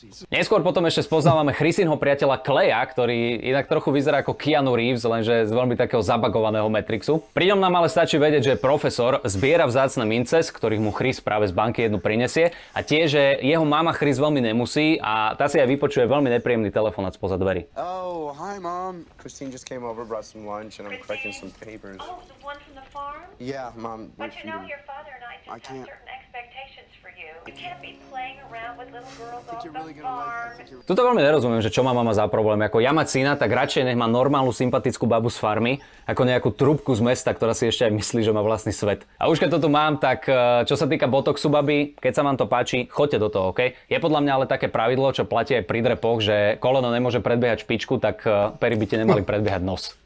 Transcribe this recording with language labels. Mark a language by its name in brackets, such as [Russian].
[Slovak] Neskôr potom ešte spoznávame Chrisinho priateľa Kleja, ktorý inak trochu vyzerá ako Keanu Reeves, lenže z veľmi takého zabagovaného Matrixu. Pri ňom nám ale stačí vedieť, že profesor zbiera vzácne mince, z ktorých mu Chris práve z banky jednu prinesie, a tie, že jeho mama Chris veľmi nemusí a tá si aj vypočuje veľmi nepríjemný telefonát spoza dverí. [English] Oh, hi mom. Christine just came over, brought some lunch and I'm collecting some papers. Oh, the one from the farm? Yeah, mom. But you know your father and I just have certain expectations for you. You can't be playing around with little girls. [Slovak] Tuto veľmi nerozumiem, že čo má mama za problém. Ako ja mať syna, tak radšej nech má normálnu, sympatickú babu z farmy, ako nejakú trúbku z mesta, ktorá si ešte aj myslí, že má vlastný svet. A už keď to tu mám, tak čo sa týka botoxu babi, keď sa vám to páči, choďte do toho, okej? Okay? Je podľa mňa ale také pravidlo, čo platí aj pri drepoch, že koleno nemôže predbiehať špičku, tak pery by ti nemali predbiehať nos.